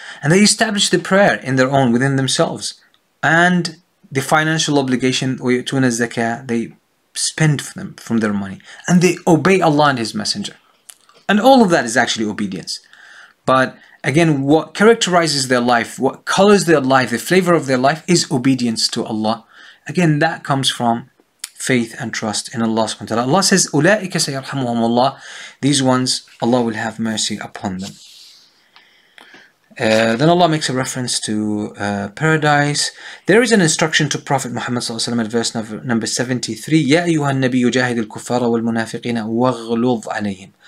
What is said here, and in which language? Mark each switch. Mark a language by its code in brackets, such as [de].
[en] And they establish the prayer in their own, within themselves. And the financial obligation, [ar] وَيُؤْتُونَ الزَّكَاةَ, [en] they spend for them from their money. And they obey Allah and His Messenger. And all of that is actually obedience. But again, what characterizes their life, what colors their life, the flavor of their life is obedience to Allah. Again, that comes from faith and trust in Allah subhanahu wa ta'ala. Allah says, [ar] أُولَٰئِكَ سَيَرْحَمُهُمُ اللَّهُ. [en] These ones, Allah will have mercy upon them. Then Allah makes a reference to paradise. There is an instruction to Prophet Muhammad sallallahu alaihi wasallam at verse number 73. [ar] يَا أَيُّهَا النَّبِيُّ جَاهِدِ الْكُفَّارَ وَالْمُنَافِقِينَ وَغْلُظْ عَلَيْهِمْ.